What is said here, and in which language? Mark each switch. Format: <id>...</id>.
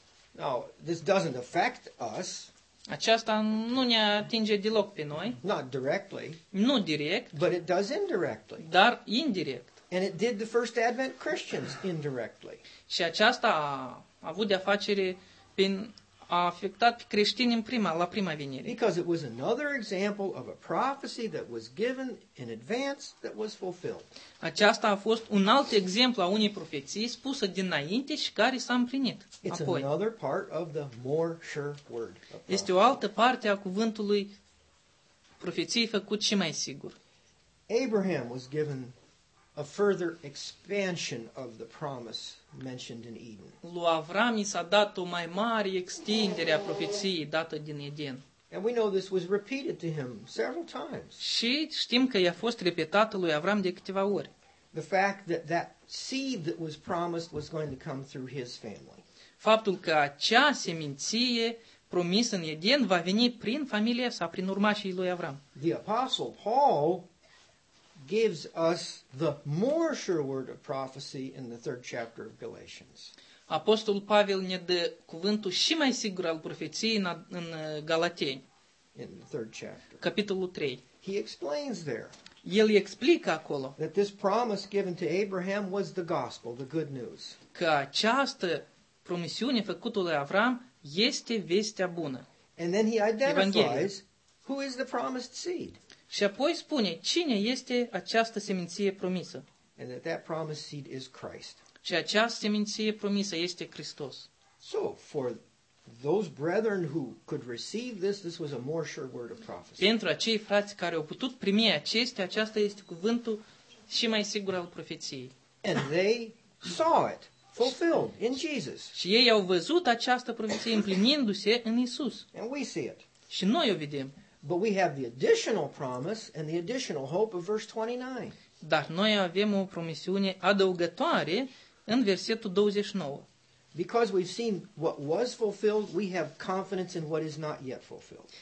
<en>Now, this doesn't affect us.</en> <ro>Aceasta nu ne atinge deloc pe noi.</ro> <en>Not directly.</en> <ro>Nu direct.</ro> <en>But it does indirectly.</en> <ro>Dar indirect.</ro> <en>And it did the first Advent Christians indirectly.</en> <ro>Și aceasta a avut de-a facere prin a afectat pe creștini la prima venire.</ro> <en>Because it was another example of a prophecy that was given in advance that was fulfilled.</en> <ro>Aceasta a fost un alt exemplu a unei profeții spusă dinainte și care s-a împlinit.</ro> <en>It's</en> <ro>apoi.</ro> <en>Another part of the more sure word.</en> <ro>Este o altă parte a cuvântului profeției făcut și mai sigur.</ro> <en>Abraham was given a further expansion of the promise mentioned in Eden.</en> <ro>Lui Avram i s-a dat o mai mare extindere a profeției dată din Eden.</ro> <en>And we know this was repeated to him several times.</en> <ro>Și știm că i-a fost repetată lui Avram de câteva ori.</ro> <en>The fact that that seed that was promised was going to come through his family.</en> <ro>Faptul că acea seminție promisă în Eden va veni prin familia sa, prin urmașii lui Avram.</ro> <en>The apostle Paul gives us the more sure word of prophecy in the third chapter of Galatians.</en> <ro>Apostol Pavel ne dă cuvântul și mai sigur al profeției în Galateni.</ro> <en>In the third chapter.</en> <ro>Capitolul 3.</ro> <en>He explains there.</en> <ro>El explică acolo.</ro> <en>That this promise given to Abraham was the gospel, the good news.</en> <ro>Că această promisiune făcută lui Avram este vestea bună.</ro> <en>And then he identifies who is the promised seed.</en> <ro>Și apoi spune, cine este această seminție promisă?</ro> <en>And that that promised seed is Christ.</en> <ro>Și această seminție promisă este Hristos.</ro> <en>So, for those brethren who could receive this, this was a more sure word of prophecy.</en> <ro>Pentru acei frați care au putut primi acestea, aceasta este cuvântul și mai sigur al profeției.</ro> <en>And they saw it fulfilled in Jesus.</en> <ro>Și ei au văzut această profeție împlinindu-se în Isus.</ro> <en>And we see it.</en> <ro>Și noi o vedem.</ro> <en>But we have the additional promise and the additional hope of verse 29.</en> <ro>Dar noi avem o promisiune adăugătoare în versetul 29.</ro> <en>Because we've seen what was fulfilled, we have confidence in what is not yet fulfilled.</en>